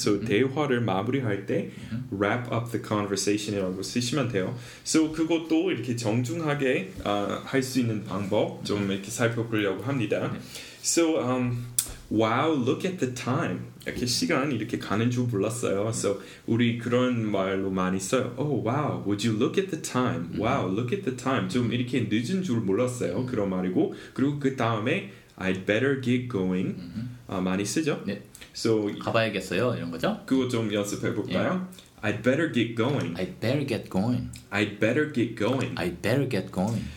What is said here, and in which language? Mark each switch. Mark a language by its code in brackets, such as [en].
[ko] So 대화를 마무리할 때 [en] wrap up the conversation [ko] 이라고 쓰시면 돼요. So 그것도 이렇게 정중하게 할 수 있는 방법 좀 이렇게 살펴보려고 합니다. [en] So, wow, look at the time. [ko] 이렇게 시간 이렇게 가는 줄 몰랐어요. So, 우리 그런 말로 많이 써요. [en] Oh, wow, would you look at the time? Wow, look at the time. [ko] 좀 이렇게 늦은 줄 몰랐어요. 그런 말이고. 그리고 그 다음에, [en] I'd better get going. [ko] 많이 쓰죠? 네. [en] So, [ko] 가봐야겠어요. 이런 거죠? 그거 좀 연습해 볼까요? [en] Yeah. I'd better get going. I'd better get going. I'd better get going. I'd better get going.